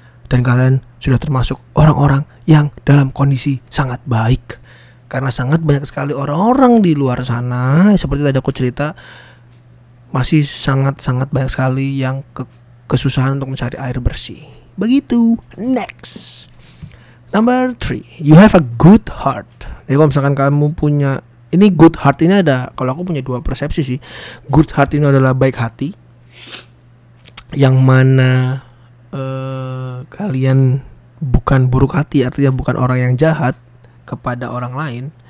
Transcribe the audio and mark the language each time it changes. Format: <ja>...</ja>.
<id>Dan kalian sudah termasuk orang-orang yang dalam kondisi sangat baik. Karena sangat banyak sekali orang-orang di luar sana, seperti tadi aku cerita, masih sangat-sangat banyak sekali yang kesusahan untuk mencari air bersih. Begitu, next.</id> <en>Number 3, you have a good heart.</en> <id>Jadi kalau misalkan kamu punya, ini good heart ini ada, kalau aku punya dua persepsi sih. Good heart ini adalah baik hati, yang mana kalian bukan buruk hati, artinya bukan orang yang jahat kepada orang lain.</id>